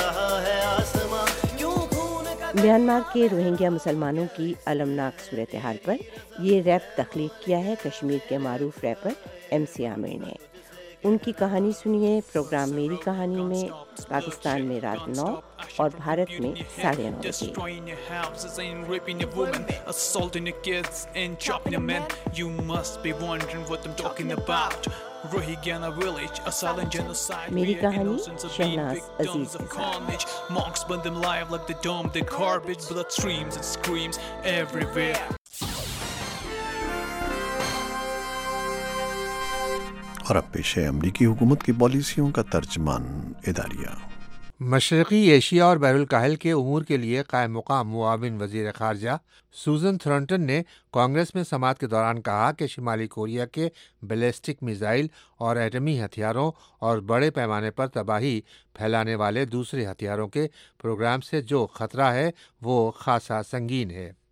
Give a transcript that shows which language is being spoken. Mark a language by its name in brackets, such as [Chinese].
[Urdu] Myanmar کے Rohingya مسلمانوں کی المناک صورتحال پر یہ ریپ تخلیق کیا ہے کشمیر کے معروف ریپر ایم سی عامر نے۔ ان کی کہانی سنیے پروگرام میری کہانی میں، پاکستان میں 9 اور بھارت میں 9:30۔ [English] Rohingya village, a silent genocide. [Urdu] Meri kahani, Shehnaz Aziz ke saath. [English] Monks burn them live like the dome, the garbage, blood streams and screams everywhere. [Urdu] اور اب پیش ہے امریکی حکومت کی پالیسیوں کا ترجمان اداریہ۔ مشرقی ایشیا اور بحر الکاہل کے امور کے لیے قائم مقام معاون وزیر خارجہ سوزن تھرنٹن نے کانگریس میں سماعت کے دوران کہا کہ شمالی کوریا کے بیلسٹک میزائل اور ایٹمی ہتھیاروں اور بڑے پیمانے پر تباہی پھیلانے والے دوسرے ہتھیاروں کے پروگرام سے جو خطرہ ہے وہ خاصا سنگین ہے۔